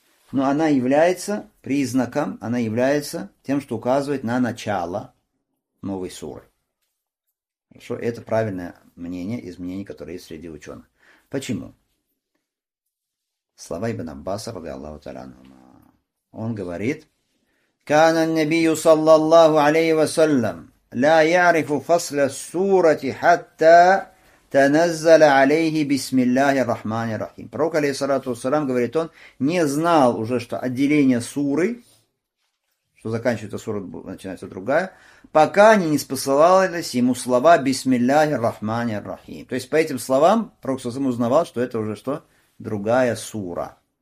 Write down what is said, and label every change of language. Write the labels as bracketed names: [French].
[Russian] Но она является признаком, она является тем, что указывает на начало новой суры. Хорошо, это правильное мнение из мнений, которые есть среди ученых. Почему? Слова Ибн Аббаса, рады Аллаху Таляну. Он говорит, [Arabic] «Кана Ан-Набию саллаллаху алейхи ва саллям». لا يعرف فصل السورة حتى تنزل عليه بسم الله الرحمن الرحيم. [Russian] Пророк, алейхиссалату вассалям, говорит, он не знал уже, что отделение суры, что заканчивается сура, начинается другая, пока не ниспосылались ему слова бисмилляхи рахмани рахим. То есть по этим словам пророк сам узнавал, что это уже что? Другая сура.